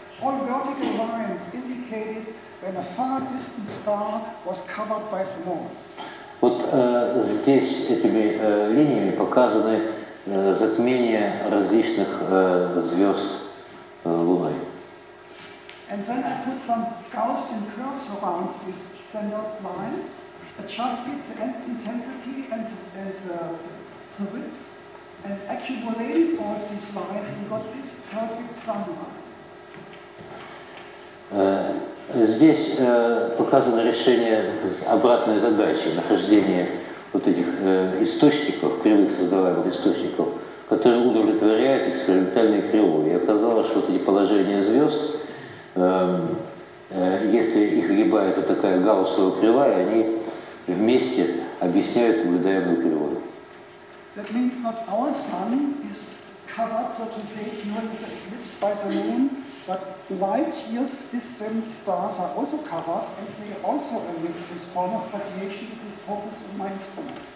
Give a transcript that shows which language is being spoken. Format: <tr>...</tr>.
<en>All vertical lines indicated when a far distant star was covered by the moon.</en> <ru>Вот здесь этими линиями показаны затмения различных звезд Луной.</ru> <en>And then I put some Gaussian curves around these standard lines, adjusted the intensity and the width, and accumulated all these lines, and got this perfect sunlight.</en> <ru>Здесь показано решение обратной задачи, нахождение вот этих источников, кривых создаваемых источников, которые удовлетворяют экспериментальные кривые. И оказалось, что вот эти положения звезд, если их огибает вот такая гауссовая кривая, они вместе объясняют наблюдаемую кривую.</ru> <en>That means not our sun is covered, so to say, during the eclipse by the moon, but light years distant stars are also covered, and they also emit this form of radiation, this focus of my instrument.</en>